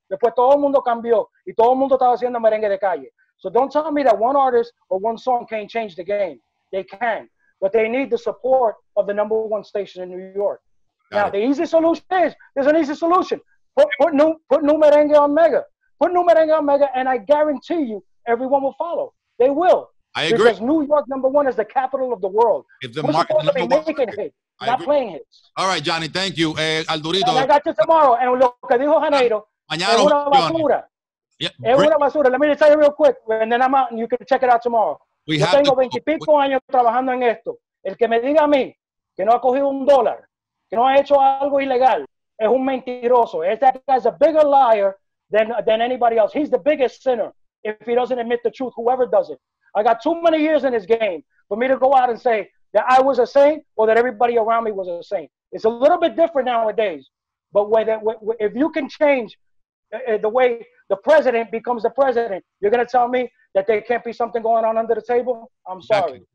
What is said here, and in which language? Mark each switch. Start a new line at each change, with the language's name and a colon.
Spanish: Después todo el mundo cambió y todo el mundo estaba haciendo merengue de calle.
English: So don't tell me that one artist or one song can't change the game. They can, but they need the support of the number one station in New York. Now, the easy solution is, there's an easy solution. Put new merengue on Mega. Put new merengue on Mega, and I guarantee you, everyone will follow. They will. I agree. Because New York, number one, is the capital of the world. If the market is making hits, not playing hits. All right, Johnny, thank you. Aldurito. And I got you tomorrow. And
Spanish: lo que dijo Janeiro, mañana, es una basura.
English: Yeah.
Spanish: Es una basura.
English: Let me tell you real quick, and then I'm out, and you can check it out tomorrow.
Spanish: Yo tengo 20 y pico años trabajando en esto. El que me diga a mí que no ha cogido un dólar, que no ha hecho algo ilegal, es un mentiroso.
English: That guy's a bigger liar than anybody else. He's the biggest sinner if he doesn't admit the truth, whoever does it. I got too many years in this game for me to go out and say that I was a saint or that everybody around me was a saint. It's a little bit different nowadays. But if you can change the way the president becomes the president, you're going to tell me that there can't be something going on under the table? I'm sorry.